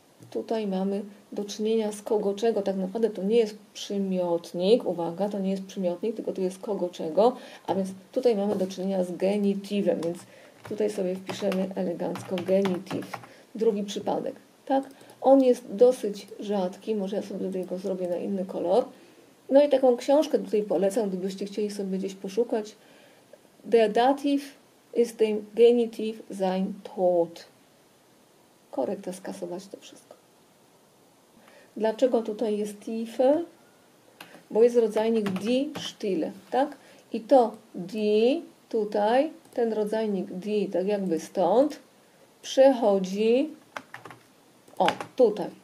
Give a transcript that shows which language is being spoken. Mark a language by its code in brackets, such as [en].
[pl] Tutaj mamy do czynienia z kogo czego, tak naprawdę to nie jest przymiotnik, uwaga, to nie jest przymiotnik, tylko to jest kogo czego, a więc tutaj mamy do czynienia z genitivem, więc tutaj sobie wpiszemy elegancko genitiv. Drugi przypadek, tak? On jest dosyć rzadki, może ja sobie tutaj go zrobię na inny kolor. No i taką książkę tutaj polecam, gdybyście chcieli sobie gdzieś poszukać. [de] Der Dativ ist dem Genitiv sein Tod. [pl] Korekta, skasować to wszystko. Dlaczego tutaj jest Tiefe? Bo jest rodzajnik die Stille, tak? I to die tutaj, ten rodzajnik die, tak jakby stąd, przechodzi... O, tutaj.